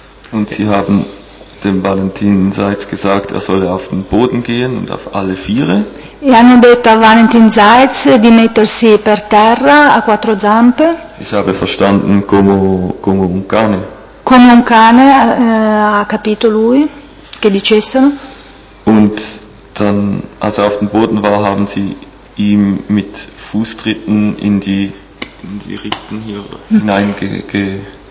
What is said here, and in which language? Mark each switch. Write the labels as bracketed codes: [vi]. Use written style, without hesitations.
[de] Und sie haben dem Valentin Seitz gesagt, er solle auf den Boden gehen und auf alle viere. [it] E hanno detto a Valentin Seitz di mettersi per terra a quattro zampe. [de] Ich habe verstanden, [it] como un cane. Come un cane, ha capito lui che dicessero. [de] Und dann, als er auf dem Boden war, haben sie ihm mit Fußtritten in die Rippen hier hineingekickt.